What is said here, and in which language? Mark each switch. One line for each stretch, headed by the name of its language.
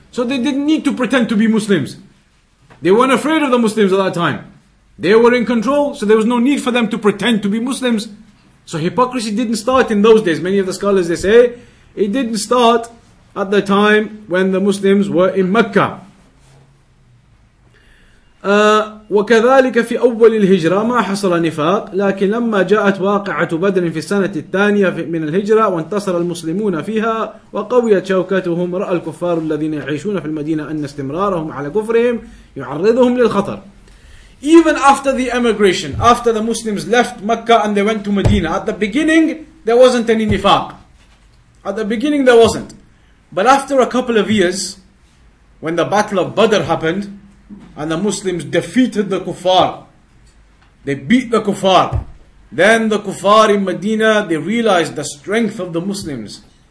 English: So they didn't need to pretend to be Muslims. They weren't afraid of the Muslims at that time. They were in control, so there was no need for them to pretend to be Muslims. So hypocrisy didn't start in those days. Many of the scholars, they say, it didn't start at the time when the Muslims were in Mecca.
Arabic: وكذلك في أول الهجرة ما حصل نفاق لكن لما جاءت واقعة بدر في السنة الثانية من الهجرة وانتصر المسلمون فيها وقويت شوكتهم رأى الكفار الذين يعيشون في المدينة أن استمرارهم على كفرهم يعرضهم للخطر.
English: Even after the emigration, after the Muslims left Mecca and they went to Medina, at the beginning there wasn't any nifaq. At the beginning there wasn't. But after a couple of years, when the Battle of Badr happened, and the Muslims defeated the kuffar, they beat the kuffar, then the kuffar in Medina, they realized the strength of the Muslims.